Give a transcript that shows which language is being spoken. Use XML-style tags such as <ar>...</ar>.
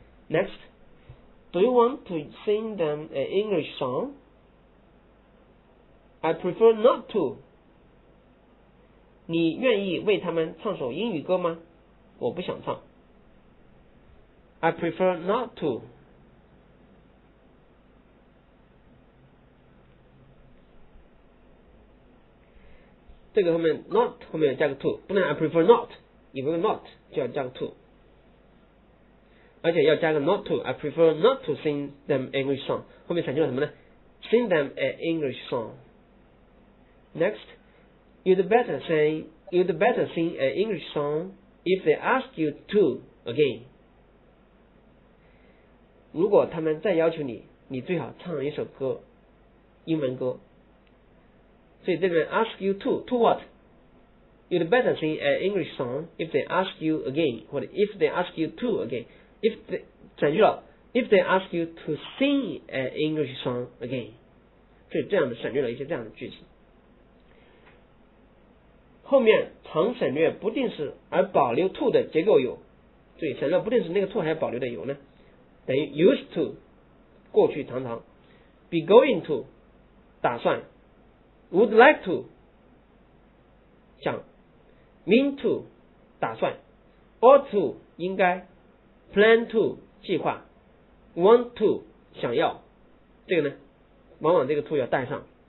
<en>Next, do you want to sing them an English song? I prefer not to.</en> <zh>你愿意为他们唱首英语歌吗？我不想唱。</zh> <en>I prefer not to.</en> <zh>not 后面加个 to， 不能</zh> <en>I prefer not，</en> <zh>有没有 not 就要加个 to， 而且要加个</zh> <en>not to。 I prefer not to sing them English song，</en> <zh>后面产生了什么呢？</zh> <en>sing them an English song. Next， you'd better sayYou'd better sing an English song if they ask you to again.</en> <zh>如果他们再要求你，你最好唱一首歌，英文歌。所以这边</zh> <en>ask you to what? You'd better sing an English song if they ask you again,</en> <zh>或者</zh> <en>if they ask you to again. If they,</en> <zh>转句了，</zh> <en>if they ask you to sing an English song again.</en> <zh>所以这样的省略了一些这样的句子。后面常省略不定式而保留 to 的结构有，对，省略不定式那个 to 还保留的有呢，等于 used to 过去常常， be going to 打算， would like to 想， mean to 打算， ought to 应该， plan to 计划， want to 想要，这个呢往往这个 to 要带上。</zh>